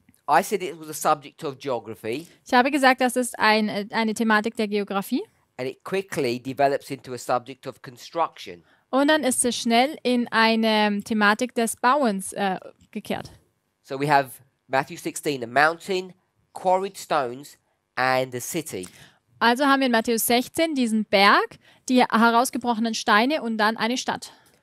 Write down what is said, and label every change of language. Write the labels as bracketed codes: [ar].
[en] I said it was a subject of geography. [de] Ich habe gesagt, das ist eine Thematik der Geografie. [en] And it quickly develops into a subject of construction. [de] Und dann ist es schnell in eine Thematik des Bauens gekehrt. [en] So we have Matthew 16, a mountain, quarried stones, and a city. [de] Also haben wir in Matthäus 16 diesen Berg, die herausgebrochenen Steine und dann eine Stadt.